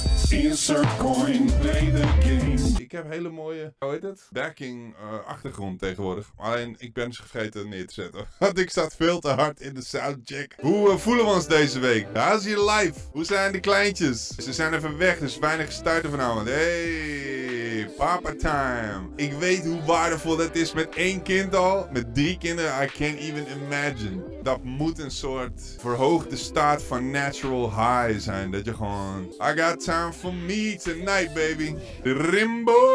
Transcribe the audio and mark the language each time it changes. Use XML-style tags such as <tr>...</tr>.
<en>Insert coin, play the game.</en> <nl>Ik heb hele mooie, hoe heet het? Backing achtergrond tegenwoordig. Alleen, ik ben ze vergeten neer te zetten. Want ik zat veel te hard in de soundcheck. Hoe voelen we ons deze week?</nl> <en>How's your life?</en> <nl>Hoe zijn de kleintjes? Ze zijn even weg, dus weinig stuiten vanavond.</nl> <en>Hey, papa time.</en> <nl>Ik weet hoe waardevol dat is met één kind al. Met drie kinderen,</nl> <en>I can't even imagine.</en> <nl>Dat moet een soort verhoogde staat van natural high zijn. Dat je gewoon,</nl> <en>I got time for me tonight, baby.</en> <nl>Rimbo!</nl>